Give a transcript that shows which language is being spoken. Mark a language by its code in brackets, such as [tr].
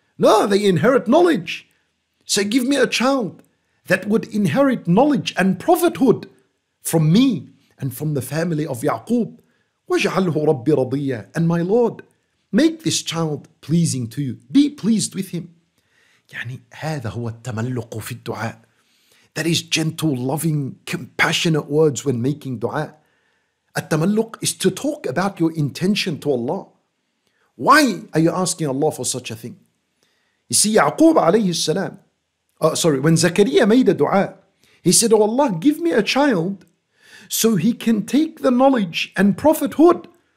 [en] No, they inherit knowledge. So give me a child that would inherit knowledge and prophethood from me and from the family of Ya'qub. [ar] وَجْعَلْهُ رَبِّ رَضِيَّ. [en] And my Lord, make this child pleasing to you. Be pleased with him. [ar] يعني هذا هو التملق في الدعاء. [en] That is gentle, loving, compassionate words when making dua. At-tamalluq is to talk about your intention to Allah. Why are you asking Allah for such a thing? You see, Ya'qub alayhi salam, when Zakariya made a dua, he said, oh Allah, give me a child so he can take the knowledge and prophethood.